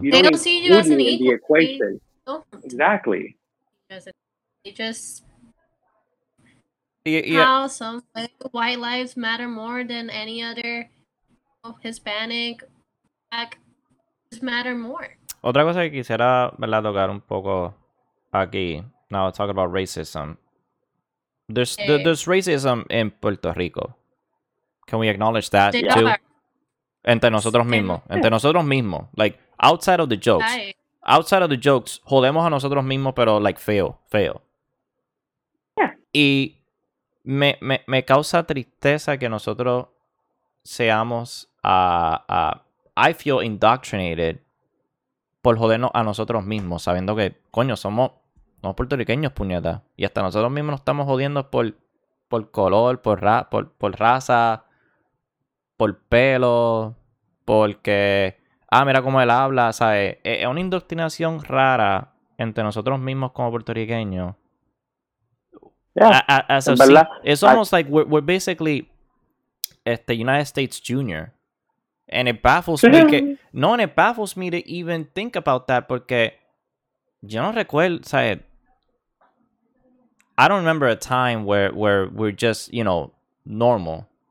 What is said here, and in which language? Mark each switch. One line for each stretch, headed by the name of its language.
English: They don't see you as an equal. The equation. Exactly. They just. Yeah. How some white lives matter more than any other Hispanic, black lives matter more.
Spanish: Otra cosa que quisiera, ¿verdad?, tocar un poco.
English: Aquí, now talk about racism. There's racism in Puerto Rico. Can we acknowledge that too?
Spanish: Entre nosotros mismos. Entre nosotros mismos.
English: Like, outside of the jokes. Outside of the jokes,
Spanish: jodemos a nosotros mismos, pero
English: like, feo. Yeah.
Spanish: Y me causa tristeza que nosotros seamos,
English: I feel indoctrinated
Spanish: por jodernos a nosotros mismos, sabiendo que, coño, somos puertorriqueños, puñeta. Y hasta nosotros mismos nos estamos jodiendo por color, por raza, por pelo, porque... Ah, mira cómo él habla, ¿sabes? Es una indoctrinación rara entre nosotros mismos como puertorriqueños.
English: Yeah,
Spanish: es verdad.
English: It's almost like we're basically United States Junior. And it baffles me que... No, and it baffles me to even think about that
Spanish: porque yo no recuerdo, ¿sabes?
English: I don't remember a time where we're just, you know, normal.